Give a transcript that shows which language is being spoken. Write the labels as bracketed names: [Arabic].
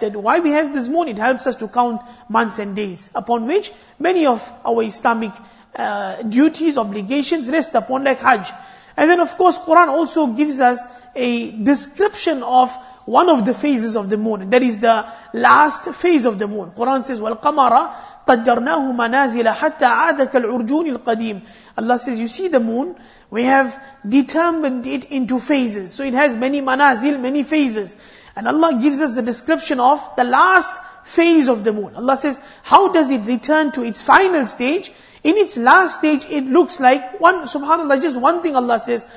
[English] That why we have this moon, it helps us to count months and days, upon which many of our Islamic duties, obligations rest upon, like Hajj. And then of course Quran also gives us a description of one of the phases of the moon. That is the last phase of the moon. Quran says, [Arabic] وَالْقَمَرَ قَدَّرْنَاهُ مَنَازِلَ حَتَّى عَادَ كَالْعُرْجُونِ الْقَدِيمِ. [English] Allah says, you see the moon, we have determined it into phases. So it has many manazil, many phases. And Allah gives us the description of the last phase of the moon. Allah says, how does it return to its final stage? In its last stage, it looks like one, subhanAllah, just one thing Allah says.